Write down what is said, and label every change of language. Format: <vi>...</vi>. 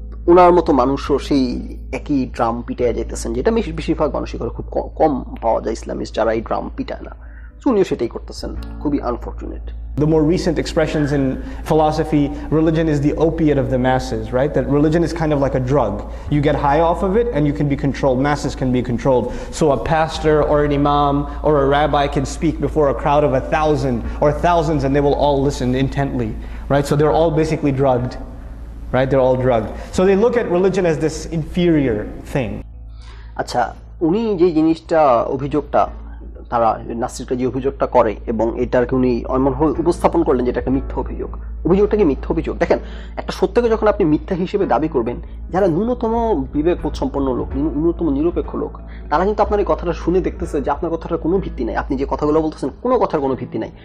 <bn>ওনার মতো মানুষও সেই একই ড্রাম পিটায় যেতেছেন, যেটা বেশিরভাগ মানুষই করে, খুব কম পাওয়া যায় ইসলামিস্ট যারা এই ড্রাম পিটায় না, উনিও সেটাই করতেছেন, খুবই unfortunate.</bn> <en>The more recent expressions in philosophy, religion is the opiate of the masses, right? That religion is kind of like a drug. You get high off of it and you can be controlled, masses can be controlled. So a pastor or an imam or a rabbi can speak before a crowd of 1,000 or thousands and they will all listen intently, right? So they're all basically drugged, right? They're all drugged. So they look at religion as this inferior thing.</en> <bn>Acha, uni je jinishta obhijogta তারা নাস্তিকরা যে অভিযোগটা করে এবং এটাকে উনি এমনভাবে উপস্থাপন করলেন যে এটা একটা মিথ্যা অভিযোগ, অভিযোগটা কি মিথ্যা অভিযোগ? দেখেন, একটা সত্যকে যখন আপনি মিথ্যা হিসেবে দাবি করবেন, যারা ন্যূনতম বিবেকবোধ সম্পন্ন লোক, ন্যূনতম নিরপেক্ষ লোক, তারা কিন্তু আপনার এই কথাটা শুনে দেখতেছে যে আপনার কথাটা কোনো ভিত্তি নাই, আপনি যে কথাগুলো বলতেছেন কোনো কথার কোনো ভিত্তি নাই।</bn>